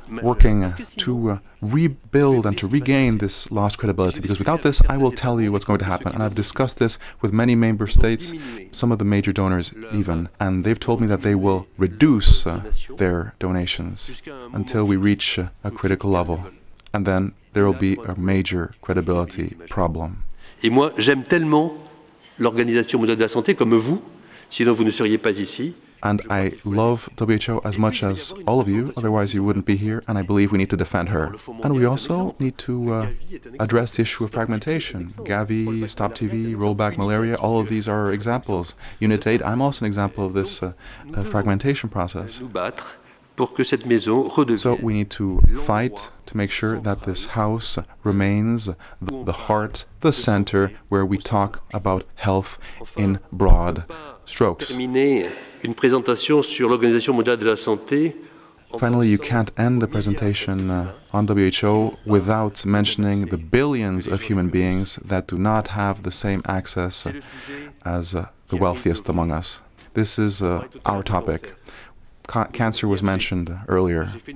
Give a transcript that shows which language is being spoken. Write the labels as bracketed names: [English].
[English] Working to rebuild and to regain this lost credibility, because without this, I will tell you what's going to happen. And I've discussed this with many member states, some of the major donors even, and they've told me that they will reduce their donations until we reach a critical level. And then there will be a major credibility problem. [French] Et moi, j'aime tellement l'Organisation Mondiale de la Santé comme vous, sinon vous ne seriez pas ici. [English] And I love WHO as much as all of you, otherwise you wouldn't be here, and I believe we need to defend her. And we also need to address the issue of fragmentation. Gavi, Stop TV, Rollback Malaria, all of these are examples. Unit 8, I'm also an example of this fragmentation process. So we need to fight to make sure that this house remains the heart, the center, where we talk about health in broad strokes. [French] Une présentation sur l'Organisation mondiale de la santé. [English] Finally, you can't end the presentation on WHO without mentioning the billions of human beings that do not have the same access as the wealthiest among us. This is our topic. Cancer was mentioned earlier.